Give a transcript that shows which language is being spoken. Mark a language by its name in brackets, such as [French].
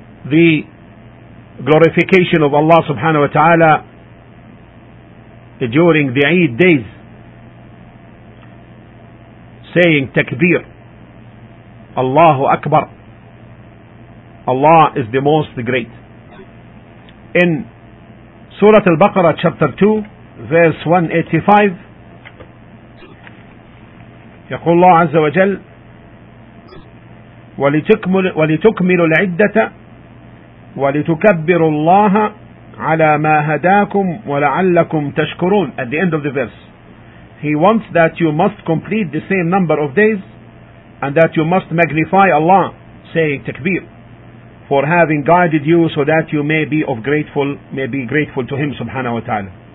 [English] The glorification of Allah subhanahu wa ta'ala during the Eid days, saying takbir, Allahu Akbar, Allah is the most great. In Surah Al-Baqarah chapter 2 verse 185, [Arabic] يقول الله عز وجل وَلِتُكْمِلُوا الْعِدَّةَ وَلِتُكَبِّرُوا اللَّهَ عَلَى مَا هَدَاكُمْ وَلَعَلَّكُمْ تَشْكُرُونَ. [English] At the end of the verse, he wants that you must complete the same number of days and that you must magnify Allah, saying takbir, for having guided you, so that you may be of grateful, may be grateful to him subhanahu wa ta'ala.